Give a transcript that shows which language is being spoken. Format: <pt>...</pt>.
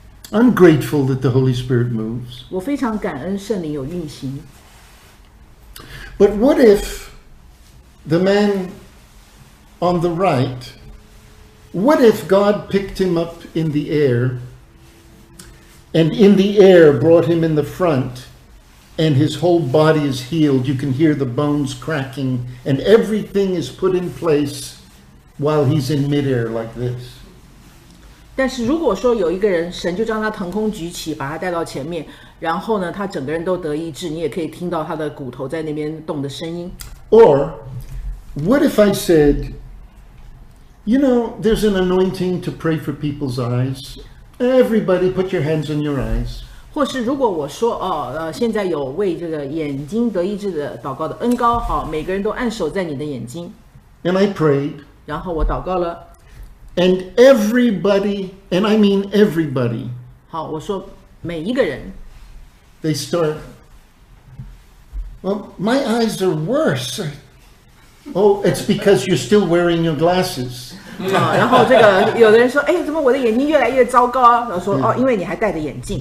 <en>I'm grateful that the Holy Spirit moves.</en> <zh>我非常感恩圣灵有运行。</zh> <en>But what if the man on the right, what if God picked him up in the air and in the air brought him in the front and his whole body is healed? You can hear the bones cracking and everything is put in place while he's in midair like this.</en> <zh>但是如果说有一个人神就将他腾空举起把他带到前面然后呢他整个人都得医治你也可以听到他的骨头在那边动的声音。</zh> <en>Or what if I said,You know, there's an anointing to pray for people's eyes. Everybody, put your hands on your eyes.</en> <zh>或是如果我说现在有为这个眼睛得医治的祷告的恩膏，好，每个人都按手在你的眼睛。</zh> <en>And I prayed.</en> <zh>然后我祷告了。</zh> <en>And everybody, and I mean everybody.</en> <zh>好，我说每一个人。</zh> <en>They start. Well, my eyes are worse. Oh, it's because you're still wearing your glasses.</en> <zh>然后这个有的人说，哎，怎么我的眼睛越来越糟糕啊？然后说，哦，因为你还戴着眼镜。</zh>